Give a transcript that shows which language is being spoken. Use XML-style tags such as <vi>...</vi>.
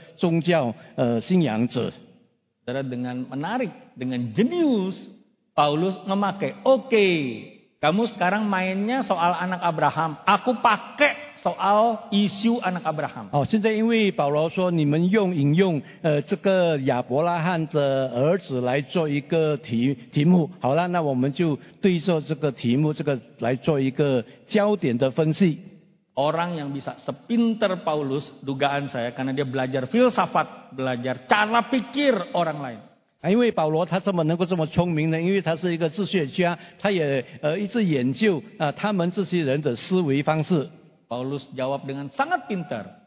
<zh>就是说他说即使你已经因为你没有执行这个七一天七次的礼拜和这个宗教的仪式等等，所以呢你不能够成为就被等你说合格的这个宗教信仰者。</zh> <id>Saudara, dengan menarik, dengan jenius, Paulus memakai, oke, kamu sekarang mainnya soal anak Abraham, aku pakai soal isu anak Abraham.</id> <zh>Oh, 现在因为保罗说你们用引用这个亚伯拉罕的儿子来做一个题目，好了，那我们就对着这个题目这个来做一个焦点的分析。</zh> <id>Orang yang bisa sepinter Paulus, dugaan saya, karena dia belajar filsafat, belajar cara pikir orang lain.</id> <zh>因为保罗他这么能够这么聪明呢，因为他是一个自学家，他也一直研究他们这些人的思维方式。</zh> <id>Paulus jawab dengan sangat pintar.</id>